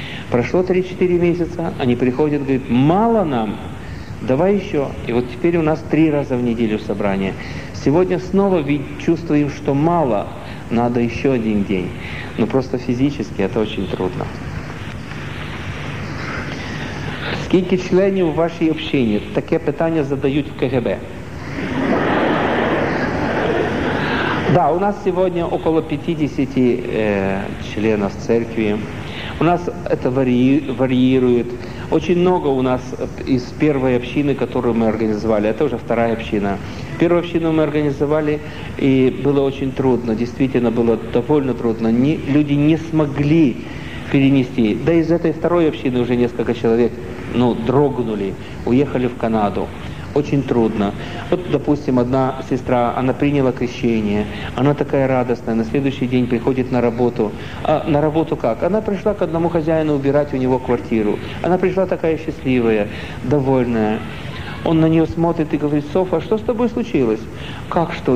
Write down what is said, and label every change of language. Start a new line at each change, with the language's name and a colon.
Russian: Прошло 3-4 месяца, они приходят и говорят: мало нам, давай еще. И вот теперь у нас 3 раза в неделю собрание. Сегодня снова чувствуем, что мало, надо еще один день. Но просто физически это очень трудно.
Ukrainian: Скільки членів вашої общини? Таке питання задають в КГБ. Да, у нас сьогодні около 50 членів церкви. У нас це варіює. Дуже багато у нас із першої общини, яку ми організували. Це вже друга община. Першу общину ми організували, і було дуже трудно. Дійсно, було доволі трудно. Люди не змогли перенести. Да і з цієї другої общини вже кілька чоловік.
Russian: Ну, дрогнули, уехали в Канаду. Очень трудно. Вот, допустим, одна сестра, она приняла крещение, она такая радостная, на следующий день приходит на работу. А на работу как? Она пришла к одному хозяину убирать у него квартиру. Она пришла такая счастливая, довольная. Он на нее смотрит и говорит: «Софа, что с тобой случилось?» «Как что?